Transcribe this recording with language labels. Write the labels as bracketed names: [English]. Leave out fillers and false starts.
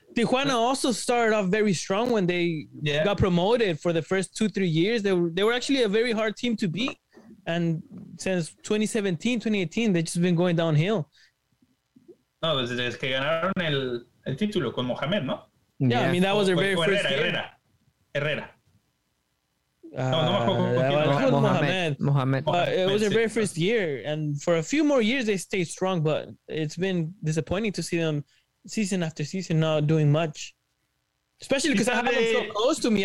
[English] Tijuana also started off very strong when they got promoted for the first 2-3 years. They were actually a very hard team to beat. And since 2017, 2018, they've just been going downhill. [Spanish] No, desde que ganaron el título con Mohamed, ¿no? [English] Yeah, I mean, that was their very first game. Herrera. No, Mohamed. It was their very first year. And for a few more years, they stayed strong. But it's been disappointing to see them season after season not doing much, especially because I have them so close to me.